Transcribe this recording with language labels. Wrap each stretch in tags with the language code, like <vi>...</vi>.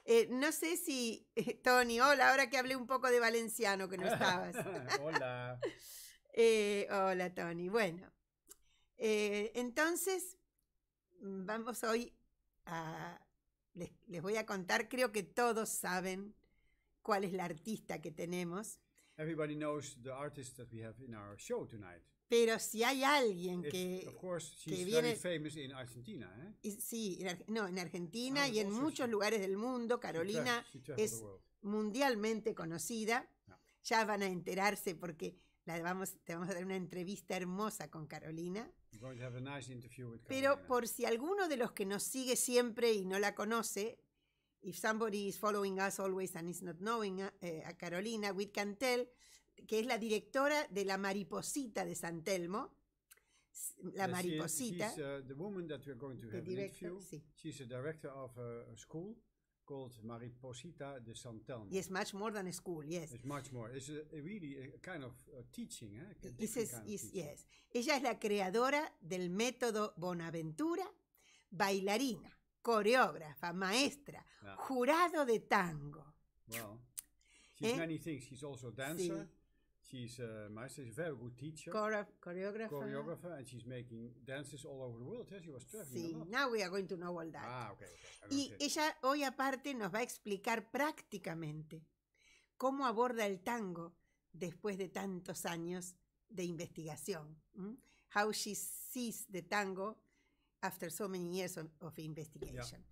<es>No sé si, Tony, hola, ahora que hablé un poco de valenciano que no estabas. Hola, Tony. Bueno, entonces, vamos hoy a... Les voy a contar, creo que todos saben cuál es la artista que tenemos.</es> <en>Everybody knows the artist that we have in our show tonight.</en> <es>Pero si hay alguien que</es> <en>of course, she's</en> <es>que viene,</es> <en>very famous in Argentina, ¿eh?</en> <es>Y, sí, en Argentina y en muchos lugares del mundo. Carolina es mundialmente conocida. No. Ya van a enterarse porque te vamos a dar una entrevista hermosa con Carolina.</es> <en>We're going to have a nice interview with</en> <es>Pero Carolina. Por si alguno de los que nos sigue siempre y no la conoce,</es> <en>if somebody is following us always and is not knowing a Carolina, we can tell</en> <es>que es la directora de La Mariposita de San Telmo. La Mariposita.</es> <en>She's the woman that we're going to have an interview. Sí. She's a director of a school called Mariposita de San Telmo. It's much more than a school, yes. It's much more. It's a kind of a teaching, eh?</en> <es>Yes. Ella es la creadora del método Bonaventura, bailarina, coreógrafa, maestra, jurado de tango.</es> <en>Well, she's many things. She's also a dancer. Sí. She's a maestra, she's a very good teacher. Choreographer, and she's making dances all over the world. Yes, she was traveling. Sí, now we are going to know all that. Ah, okay.</en> <es>Y ella hoy aparte nos va a explicar prácticamente cómo aborda el tango después de tantos años de investigación.</es> <en>How she sees the tango after so many years of investigation.</en>